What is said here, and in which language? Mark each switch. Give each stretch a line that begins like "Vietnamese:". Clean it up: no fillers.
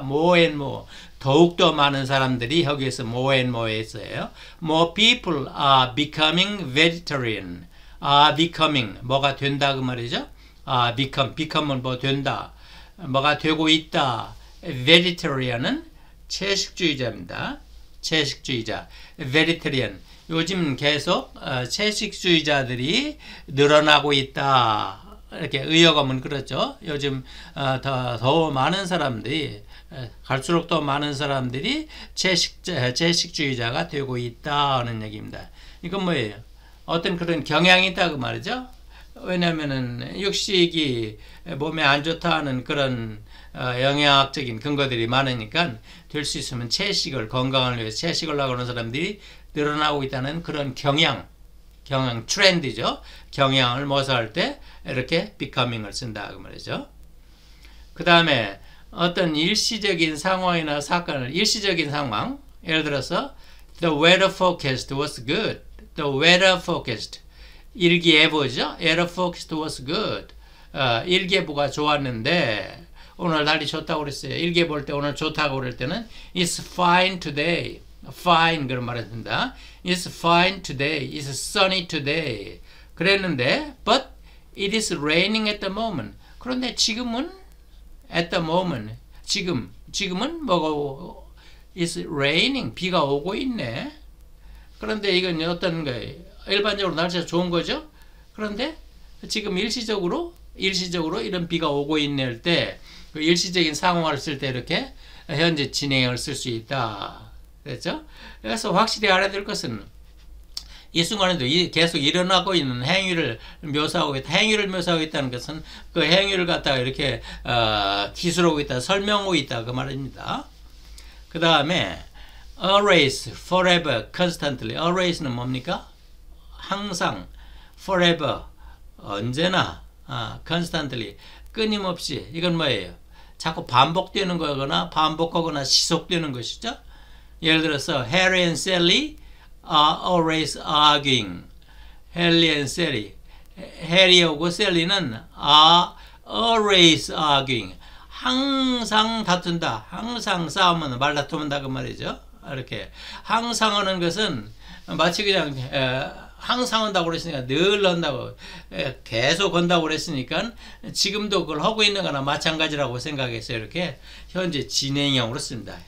English: More and more
Korean: 더욱더 많은 사람들이 여기에서
English: more and more
Korean: 했어요.
English: More people are becoming vegetarian. Are becoming
Korean: 뭐가 된다 그 말이죠?
English: Are become
Korean: 은 뭐 된다. 뭐가 되고 있다. Vegetarian은 채식주의자입니다. 채식주의자. Vegetarian. 요즘 계속 채식주의자들이 늘어나고 있다. 이렇게 의역하면 그렇죠. 요즘 더 많은 사람들이 갈수록 더 많은 사람들이 채식주의자가 되고 있다는 얘기입니다. 이건 뭐예요? 어떤 그런 경향이 있다고 말이죠. 왜냐면은 육식이 몸에 안 좋다 하는 그런 영양학적인 근거들이 많으니까 될수 있으면 채식을 건강을 위해서 채식을 하려고 하는 사람들이 늘어나고 있다는 그런 경향 트렌드죠. 경향을 모사할 때 이렇게 becoming을 쓴다 그 말이죠. 그 다음에 어떤 일시적인 상황이나 사건을 일시적인 상황, 예를 들어서
English: the weather forecast was good. The weather forecast
Korean: 일기예보죠.
English: Weather forecast was good.
Korean: 일기예보가 좋았는데 오늘 날이 좋다고 그랬어요. 일기예보 볼때 오늘 좋다고 그럴 때는
English: it's fine today.
Korean: Fine 그런 말을 쓴다.
English: It's fine today. It's sunny today.
Korean: 그랬는데,
English: but it is raining at the moment.
Korean: 그런데 지금은
English: at the moment
Korean: 지금은 뭐가
English: it's raining
Korean: 비가 오고 있네. 그런데 이건 어떤 거예요? 일반적으로 날씨가 좋은 거죠? 그런데 지금 일시적으로 이런 비가 오고 있네 할 때, 그 일시적인 상황을 쓸때 이렇게 현재 진행형을 쓸수 있다. 됐죠? 그래서 확실히 알아야 될 것은 이 순간에도 계속 일어나고 있는 행위를 묘사하고 있다는 것은 그 행위를 갖다가 이렇게 기술하고 있다, 설명하고 있다 그 말입니다. 그 다음에 always, forever, constantly. always는 뭡니까? 항상, forever, 언제나, constantly, 끊임없이. 이건 뭐예요? 자꾸 반복되는 거거나 반복하거나 지속되는 것이죠? 예를 들어서 해리 앤 셀리
English: are always arguing.
Korean: 해리 앤 셀리. 해리하고 셀리는
English: are always arguing.
Korean: 항상 다툰다. 항상 싸우면 말다툼한다 그 말이죠. 이렇게 항상 하는 것은 마치 그냥 항상 한다고 그랬으니까 늘 한다고 계속 한다고 그랬으니까 지금도 그걸 하고 있는 거나 마찬가지라고 생각해서 이렇게 현재 진행형으로 씁니다.